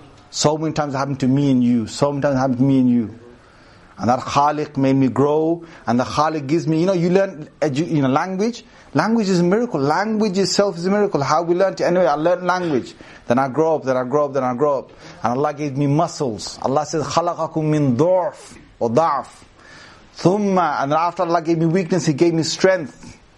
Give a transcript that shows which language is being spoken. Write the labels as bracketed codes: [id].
[en] So many times it happened to me and you. And that Khaliq made me grow, and the Khaliq gives me, you know, you learn, you know, language. Language is a miracle. Language itself is a miracle. How we learn it. Anyway, I learned language. Then I grow up. And Allah gave me muscles. Allah says, [ar] خَلَقَكُم مِّن ضَعْف or ضَعْف. [en] ثُمَّ And then after Allah gave me weakness, He gave me strength.